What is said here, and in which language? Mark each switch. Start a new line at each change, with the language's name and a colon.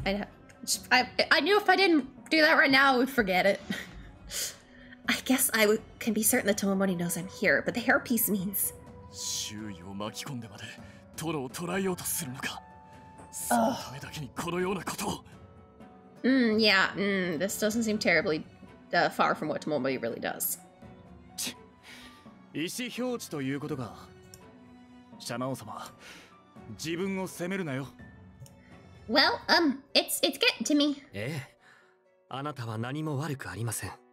English: I knew if I didn't do that right now, I would forget it. I guess I would, can be certain that Tomomori knows I'm here, but the hairpiece means...
Japanese: 周囲を巻き込んでまで、トロを捕らえようとするのか。そのためだけにこのようなことを。
English: This doesn't seem terribly far from what Tomomori really does.
Japanese: 意思表示ということか。シャナオ様、自分を責めるなよ。
English: Well, it's getting to me.
Japanese: ええ、あなたは何も悪くありません。